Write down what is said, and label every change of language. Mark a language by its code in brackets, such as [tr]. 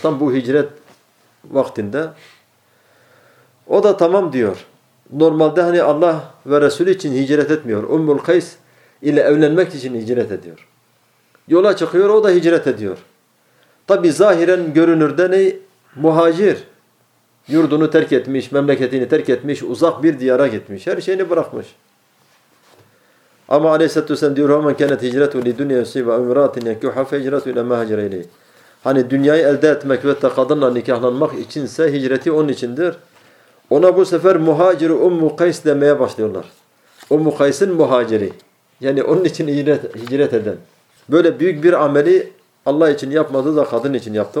[tr] Tam bu hicret vaktinde. O da tamam diyor. Normalde hani Allah ve Resulü için hicret etmiyor. Ummul Kays ile evlenmek için hicret ediyor. Yola çıkıyor, o da hicret ediyor. Tabi zahiren görünürde ne? Muhacir. Yurdunu terk etmiş, memleketini terk etmiş, uzak bir diyara gitmiş. Her şeyini bırakmış. Ama aleyhissalatü vesselam diyor, [ar] وَمَنْ كَنَتْ هِجْرَةُ لِدُّنْيَا يُسِيبَ اَمْرَاتٍ يَكُّحَ فَهِجْرَةُ اِلَى مَا هَجْرَ اِلَيْهِ. [tr] Hani dünyayı elde etmek ve kadınla nikahlanmak içinse hicreti onun içindir. Ona bu sefer muhacir-i Ummu Kays demeye başlıyorlar. Ummu Kays'ın muhaciri. Yani onun için hicret eden. Böyle büyük bir ameli Allah için yapmadı da kadın için yaptı.